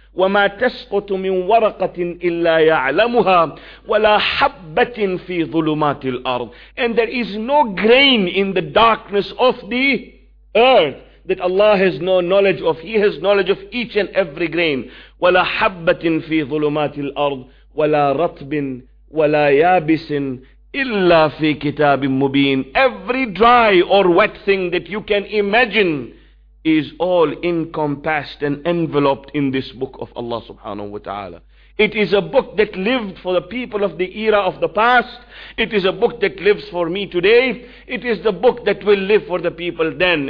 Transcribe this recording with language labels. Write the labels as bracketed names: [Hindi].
[Arabic] وَمَا تَسْقُطُ مِن وَرَقَةٍ إِلَّا يَعْلَمُهَا وَلَا حَبَّةٍ فِي ظُلُمَاتِ الْأَرْضِ. [English] And there is no grain in the darkness of the earth that Allah has no knowledge of. He has knowledge of each and every grain. [Arabic] وَلَا حَبَّةٍ فِي ظُلُمَاتِ الْأَرْضِ ولا رطب ولا يابس إلا في كتاب مبين. [English] Every dry or wet thing that you can imagine is all encompassed and enveloped in this book of Allah subhanahu wa ta'ala. It is a book that lived for the people of the era of the past. It is a book that lives for me today. It is the book that will live for the people then.